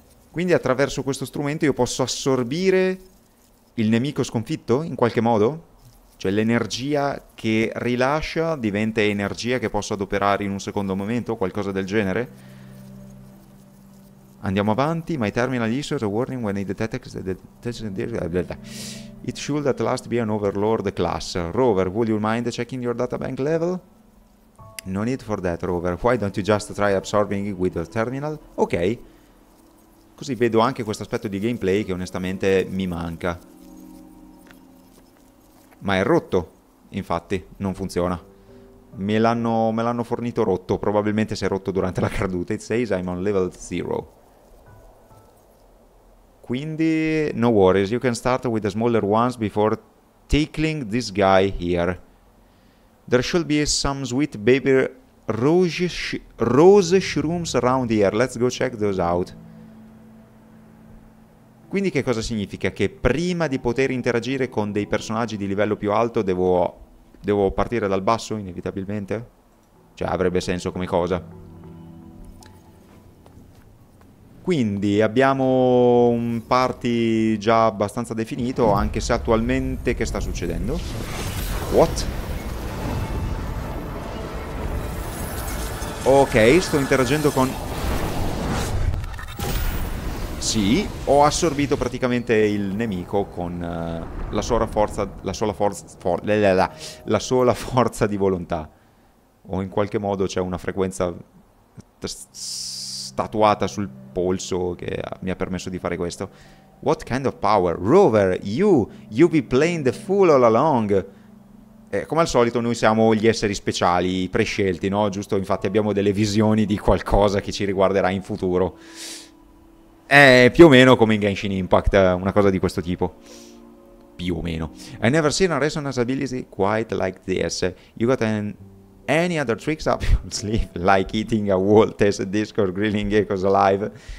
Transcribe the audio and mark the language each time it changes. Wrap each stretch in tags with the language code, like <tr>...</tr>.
<it>Quindi attraverso questo strumento io posso assorbire il nemico sconfitto, in qualche modo? Cioè l'energia che rilascia diventa energia che posso adoperare in un secondo momento, qualcosa del genere? Andiamo avanti.</it> <en>My terminal issues a warning when it detects that it should at last be an overlord class. Rover, would you mind checking your databank level? No need for that, Rover. Why don't you just try absorbing it with the terminal? Ok.</en> <it>Così vedo anche questo aspetto di gameplay che onestamente mi manca. Ma è rotto, infatti, non funziona. Me l'hanno fornito rotto, probabilmente si è rotto durante la caduta.</it> <en>It says I'm on level 0.</en> <it>Quindi,</it> <en>no worries, you can start with the smaller ones before tickling this guy here. There should be some sweet baby rose shrooms around here, let's go check those out.</en> <it>Quindi che cosa significa? Che prima di poter interagire con dei personaggi di livello più alto devo partire dal basso, inevitabilmente? Cioè, avrebbe senso come cosa. Quindi abbiamo un party già abbastanza definito, anche se attualmente che sta succedendo?</it> <en>What?</en> <it>Ok, sto interagendo con... Sì, ho assorbito praticamente il nemico con la sola forza di volontà. O in qualche modo c'è una frequenza statuata sul polso che mi ha permesso di fare questo.</it> <en>What kind of power? Rover, you be playing the fool all along.</en> <it>Come al solito noi siamo gli esseri speciali, i prescelti, no? Giusto? Infatti abbiamo delle visioni di qualcosa che ci riguarderà in futuro. È più o meno come in Genshin Impact, una cosa di questo tipo. Più o meno.</it> <en>I never seen a resonance ability quite like this. You got any other tricks up your sleeve? Like eating a wall test discord, grilling echoes alive?</en>